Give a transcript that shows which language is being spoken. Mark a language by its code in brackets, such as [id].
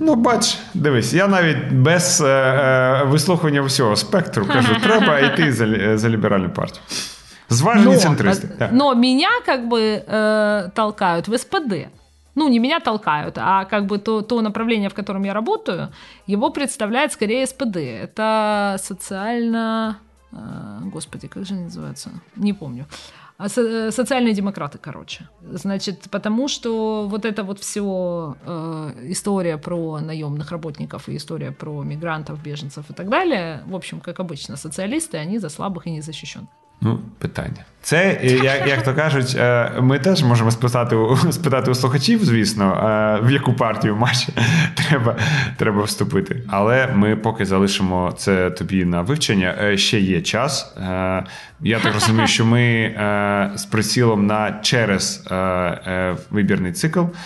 [uk] Ну, бач, дивись, я навіть без вислухування всього спектру кажу, треба йти за ліберальну партію. Зважені центристи. Но мене, як би, толкають в СПД. Ну, не мене толкають, а як би то направлення, в якому я працюю, його представляє скоріше СПД. Це соціально... [ru] Господи, как же они называются? Не помню. Социальные демократы, короче. Значит, потому что вот эта вот все история про наемных работников и история про мигрантов, беженцев и так далее, в общем, как обычно, социалисты, они за слабых и незащищенных. [uk] Ну, питання. Це, як то кажуть, ми теж можемо спитати у слухачів, звісно, в яку партію матч треба вступити. Але ми поки залишимо це тобі на вивчення. Ще є час. Я так розумію, що ми з прицілом на через вибірний цикл.